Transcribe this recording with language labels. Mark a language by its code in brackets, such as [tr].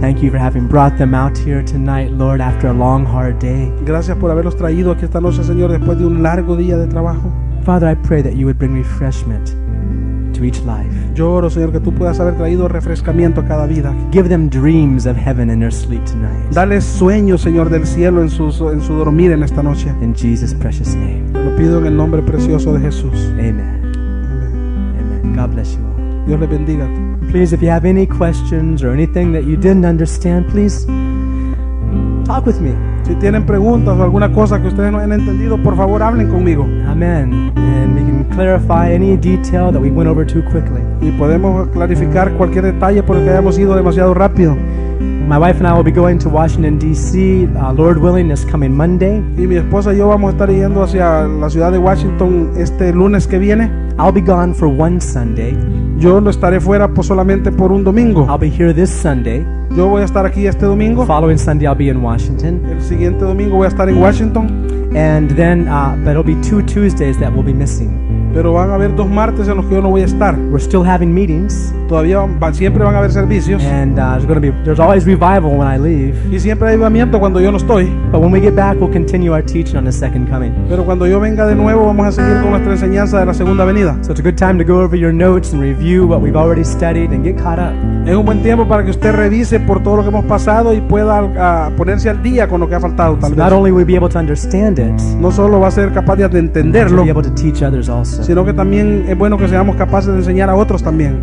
[en] Thank you for having brought them out here tonight, Lord, after a long, hard day. [es] Gracias por haberlos traído aquí esta noche, Señor, después de un largo día de trabajo. [en] Father, I pray that you would bring refreshment to each life. [es] Yo oro, Señor, que tú puedas haber traído refrescamiento a cada vida. [en] Give them dreams of heaven in their sleep tonight. [es] Dale sueños, Señor, del cielo en su dormir en esta noche. [en] In Jesus' precious name. [es] Lo pido en el nombre precioso de Jesús. Amen. Amen. [en] Amen. God bless you all. [es] Dios le bendiga. [en] Please, if you have any questions or anything that you didn't understand, please talk with me. [es] Si tienen preguntas o alguna cosa que ustedes no hayan entendido, por favor hablen conmigo. [en] Amen. And we can clarify any detail that we went over too quickly. [es] Y podemos clarificar cualquier detalle porque hayamos ido demasiado rápido. [en] My wife and I will be going to Washington, D.C., Lord willing, this coming Monday. [es] Y mi esposa y yo vamos a estar yendo hacia la ciudad de Washington este lunes que viene. [en] I'll be gone for one Sunday. [es] Yo no estaré fuera por solamente por un domingo. [en] I'll be here this Sunday. [es] Yo voy a estar aquí este domingo. [en] The following Sunday I'll be in Washington. [es] El siguiente domingo voy a estar en Washington. [en] And then, but it'll be two Tuesdays that we'll be missing. [es] Pero van a haber dos martes en los que yo no voy a estar. [en] We're still having meetings. [es] Todavía van, siempre van a haber servicios. [en] And there's always revival when I leave. [es] Y siempre hay avivamiento cuando yo no estoy. [en] But when we get back, we'll continue our teaching on the second coming. [es] Pero cuando yo venga de nuevo, vamos a seguir con nuestra enseñanza de la segunda venida. [en] So it's a good time to go over your notes and review what we've already studied and get caught up. [es] Es un buen tiempo para que usted revise por todo lo que hemos pasado y pueda ponerse al día con lo que ha faltado. Tal vez. [en] So not only will we be able to understand it, [es] no solo va a ser capaz de entenderlo, [en] but to be able to teach others also. [es] Sino que también es bueno que seamos capaces de enseñar a otros también.